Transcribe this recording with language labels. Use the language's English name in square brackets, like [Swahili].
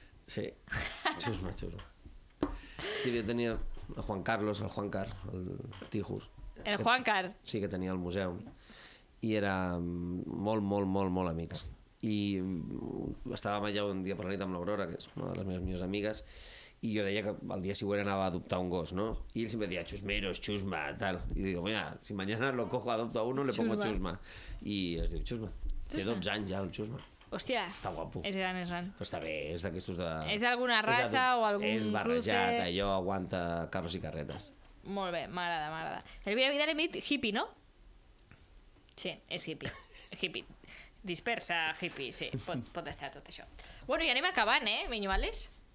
[Catalan] Sí, Xusma. Sí, jo tenia el Juan Carlos, el Juan Car, el Tijus. El Juan Car? Sí, que tenia al museu. I era molt amics. I estàvem allà un dia per la nit amb l'Aurora, que és una de les meves millors amigues, i jo deia que el dia següent anava a adoptar un gos, no? I ell sempre deia, Xusmeros, Xusma, tal. [Spanish] I digo, mira, si mañana lo cojo, adopto a uno, le pongo Xusma. [Catalan] I es diu Xusma. Té 12 anys ja, el Xusma. Hòstia. Està guapo. És gran, és gran. Però està bé, és d'aquestos de... És d'alguna raça o algun cruce... És barrejat, allò aguanta carros i carretes. Molt bé, m'agrada. Elvira Vidal hem dit hippie, no? Sí, és hippie. Hippie. Dispersa, hippie, sí. Pot estar tot això. Bueno, i anem acabant, Vinyuales?